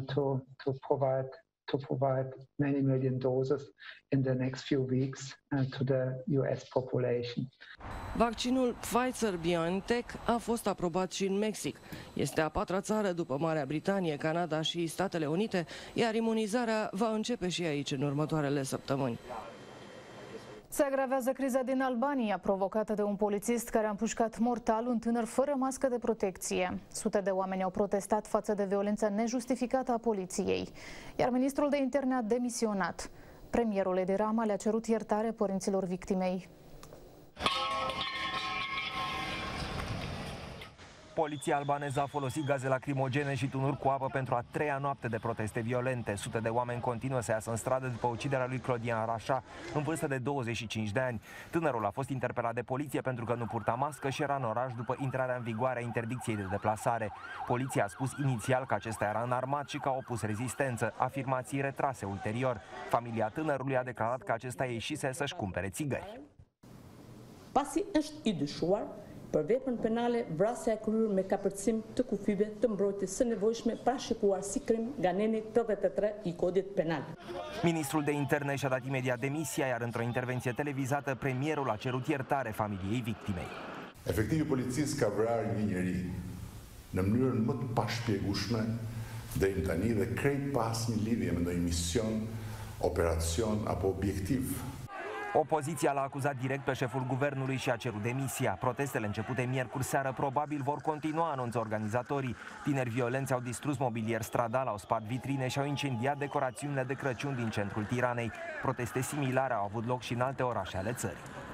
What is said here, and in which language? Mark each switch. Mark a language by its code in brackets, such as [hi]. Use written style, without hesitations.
[en] It enables us to provide many million doses in the next few weeks to the US population. [ro] Vaccinul Pfizer-BioNTech a fost aprobat și în Mexic. Este a patra țară după Marea Britanie, Canada și Statele Unite, iar imunizarea va începe și aici în următoarele săptămâni. Se agravează criza din Albania, provocată de un polițist care a împușcat mortal un tânăr fără mască de protecție. Sute de oameni au protestat față de violența nejustificată a poliției, iar ministrul de interne a demisionat. Premierul Edi Rama le-a cerut iertare părinților victimei. Poliția albaneză a folosit gaze lacrimogene și tunuri cu apă pentru a treia noapte de proteste violente. Sute de oameni continuă să iasă în stradă după uciderea lui Claudian Rașa, în vârstă de 25 de ani. Tânărul a fost interpelat de poliție pentru că nu purta mască și era în oraș după intrarea în vigoare a interdicției de deplasare. Poliția a spus inițial că acesta era înarmat și că a opus rezistență, afirmații retrase ulterior. Familia tânărului a declarat că acesta ieșise să-și cumpere țigări. [sq] Pasi është i dyshuar për veprën penale vrasja e kryer me kapërcim të kufive të mbrojtjes së nevojshme parashikuar si krim nga neni 83 i kodit penal. [ro] Ministrul de interne și-a dat imediat demisia, iar într-o intervenție televizată, premierul a cerut iertare familiei victimei. [sq] Efectiv, polițist ka vrar një njeri në mënyrën më të pashpjegueshme dhe në tani dhe krejt pas një lidhje me ndonjë mision, operacion apo objektiv. [ro] Opoziția l-a acuzat direct pe șeful guvernului și a cerut demisia. Protestele începute miercuri seară probabil vor continua, anunță organizatorii. Tineri violenți au distrus mobilier stradal, au spart vitrine și au incendiat decorațiunile de Crăciun din centrul Tiranei. Proteste similare au avut loc și în alte orașe ale țării.